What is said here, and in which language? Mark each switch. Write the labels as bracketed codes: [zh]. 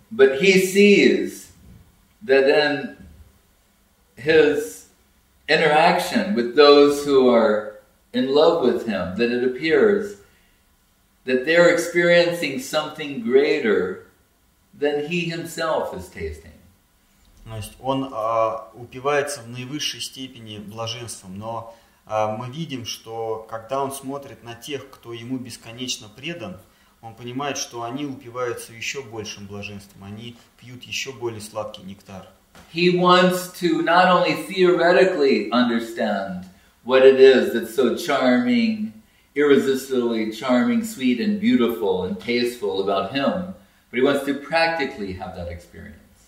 [en] But he sees that in his interaction with those who are in love with him, that it appears that they're experiencing something greater than he himself is tasting. [ru] То есть он упивается в наивысшей степени блаженством, но мы видим, что когда он смотрит на тех, кто ему бесконечно предан, он понимает, что они упиваются еще большим блаженством, они пьют еще более сладкий нектар. [en] He wants to not only theoretically understand what it is that's so charming, irresistibly charming, sweet and beautiful and tasteful about him, but he wants to practically have that experience.